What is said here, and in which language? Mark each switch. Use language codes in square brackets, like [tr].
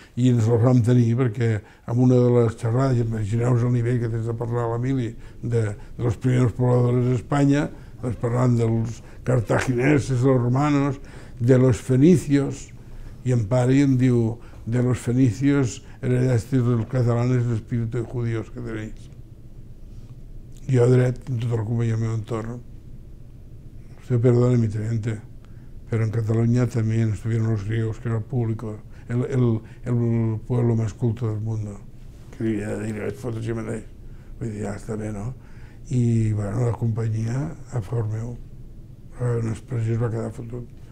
[ca] I ens els vam tenir perquè en una de les xerrades, imagineu-vos el nivell que tens de parlar a l'Emili, de les primeres pobladores d'Espanya, doncs parlant dels cartagineses, dels romanos, de los fenicios, i en pare em diu: de los fenicios heredasteis los catalanes el espíritu de judíos que tenéis. Jo dret, en tota la companyia del meu entorn. [es] Usted perdone, mi teniente, pero en Cataluña también estuvieron los griegos, que era el público, el pueblo más culto del mundo. [ca] Que li havia de dir, vaig fotre així mateix. Vull dir, ja està bé, no? I, bueno, la companyia, a favor meu, una expressió es va quedar fotut.